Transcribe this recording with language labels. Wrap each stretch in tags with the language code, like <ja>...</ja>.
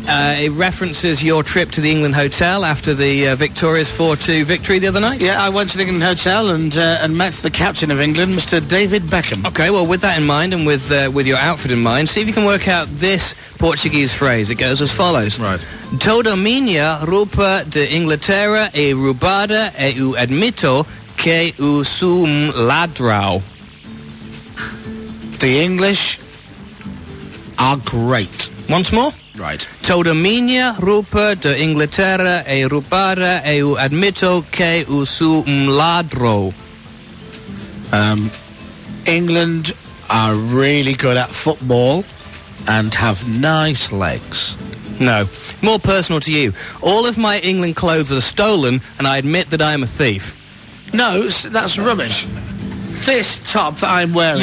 <en>It references your trip to the England Hotel after the victorious 4-2 victory the other night. Yeah, I went to the England Hotel and met the captain of England, Mr. David Beckham. Okay, well, with that in mind and with your outfit in mind, see if you can work out this Portuguese phrase. It goes as follows. Right.</en> <pt>Toda minha roupa de Inglaterra é roubada e eu admito que eu sou ladrão.</pt> <en>The English are great. Once more? Right.</en> <pt>Toda minha roupa de Inglaterra é roubada e eu admito que eu sou ladrão.</pt> <en>England are really good at football and have nice legs. No. More personal to you. All of my England clothes are stolen and I admit that I am a thief. No, that's rubbish. This top that I'm wearing...</en>